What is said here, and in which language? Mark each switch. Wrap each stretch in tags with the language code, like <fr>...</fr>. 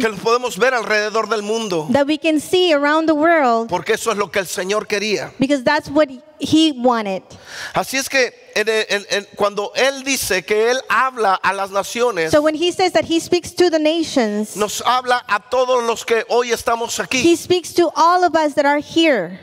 <es>Que los podemos ver alrededor del mundo.</es> <en>That we can see around the world.</en> <es>Porque eso es lo que el Señor quería.</es> <en>Because that's what he wanted.</en> <es>Así es que cuando él dice que él habla a las naciones,</es> <en>so when he says that he speaks to the nations,</en> <es>nos habla a todos los que hoy estamos aquí.</es> <en>He speaks to all of us that are here.</en>